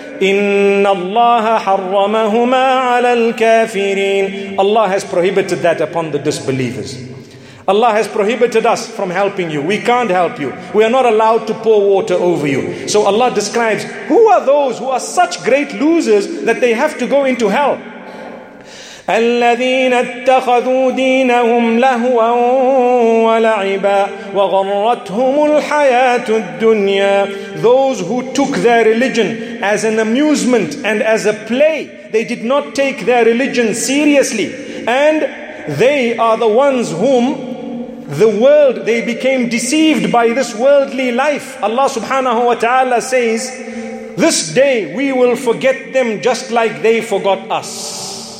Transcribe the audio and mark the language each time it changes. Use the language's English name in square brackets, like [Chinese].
[Arabic] إِنَّ اللَّهَ حَرَّمَهُمَا عَلَى الْكَافِرِينَ. [English] Allah has prohibited that upon the disbelievers. Allah has prohibited us from helping you. We can't help you. We are not allowed to pour water over you. So Allah describes, who are those who are such great losers that they have to go into hell? [Arabic] الذين اتخذوا دينهم لهوا ولعبا وغرتهم الحياة الدنيا. [English] Those who took their religion as an amusement and as a play, they did not take their religion seriously, and they are the ones whom the world, they became deceived by this worldly life. Allah subhanahu wa ta'ala says, this day we will forget them just like they forgot us.